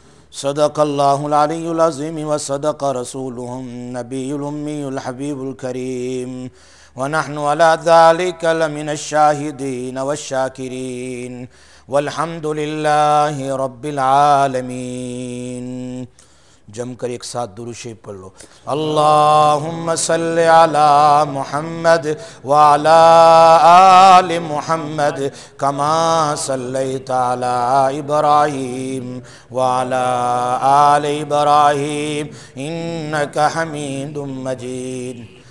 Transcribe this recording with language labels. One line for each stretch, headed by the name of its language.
Arabic: صدق الله العلي العظيم وصدق رسوله النبي الأمي الحبيب الكريم ونحن على ذلك لمن الشاهدين والشاكرين والحمد لله رب العالمين.
Urdu: جم کر ایک ساتھ درود شریف پڑھ لو.
Arabic: اللهم صل على محمد وعلى آل محمد كما صليت على ابراهيم وعلى آل ابراهيم انك حميد مجيد.